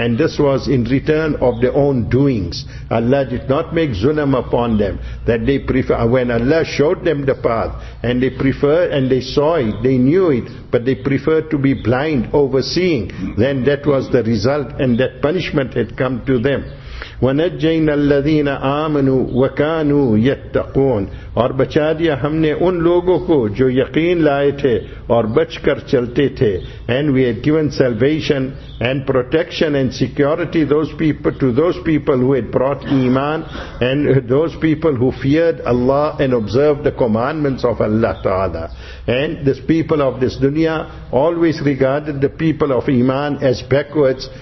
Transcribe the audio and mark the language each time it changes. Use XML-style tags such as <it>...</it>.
<en>And this was in return of their own doings. Allah did not make zulm upon them, that they prefer, when Allah showed them the path, and they prefer, and they saw it, they knew it, but they preferred to be blind overseeing, then that was the result, and that punishment had come to them.</en> <ar>وَنَجَّيْنَا الَّذِينَ آمَنُوا وَكَانُوا يَتَّقُونَ.</ar> <ur>اور بچا دیا ہم نے ان لوگوں کو جو یقین لائے تھے اور بچ کر چلتے تھے.</ur> <en>And we had given salvation and protection and security to those people who had brought iman, and those people who feared Allah and observed the commandments of Allah Ta'ala. And this people of this dunya always regarded the people of iman as backwards.</en>